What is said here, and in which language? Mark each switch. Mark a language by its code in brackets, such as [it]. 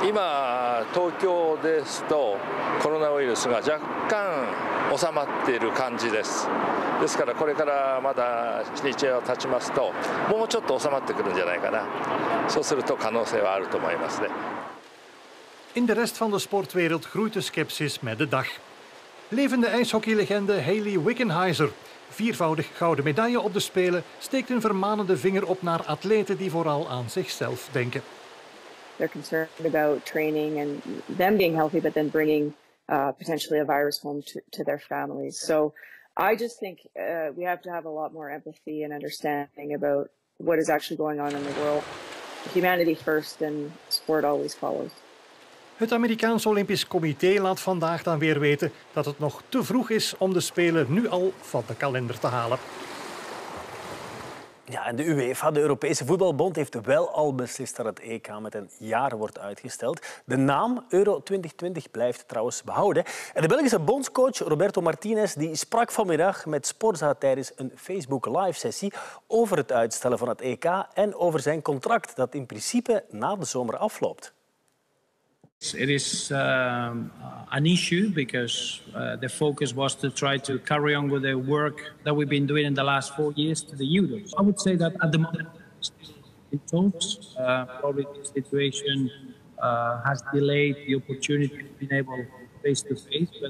[ja] 今東京ですとコロナウイルスが若干収まっている感じです。ですからこれからまだ日程を経ちますともうちょっと収まってくるんじゃないかな。そうすると可能性はあると思いますね。 [nl] In de rest van de sportwereld groeit de skepsis met de dag. Levende ijshockeylegende Hayley Wickenheiser, viervoudig gouden medaille op de Spelen, steekt een vermanende vinger op naar atleten die vooral aan zichzelf denken. [en] They're concerned about training and them being healthy, but then bringing potentially a virus home to their families. So I just think we have to have a lot more empathy and understanding about what is actually going on in the world. Humanity first and sport always follows. [nl] Het Amerikaans Olympisch Comité laat vandaag dan weer weten dat het nog te vroeg is om de Spelen nu al van de kalender te halen. Ja, en de UEFA, de Europese Voetbalbond, heeft wel al beslist dat het EK met een jaar wordt uitgesteld. De naam Euro 2020 blijft trouwens behouden. En de Belgische bondscoach Roberto Martinez die sprak vanmiddag met Sporza tijdens een Facebook Live-sessie over het uitstellen van het EK en over zijn contract dat in principe na de zomer afloopt. [en] It is an issue because the focus was to try to carry on with the work that we've been doing in the last 4 years to the Euro. I would say that at the moment in talks, probably the situation has delayed the opportunity to be able face to face.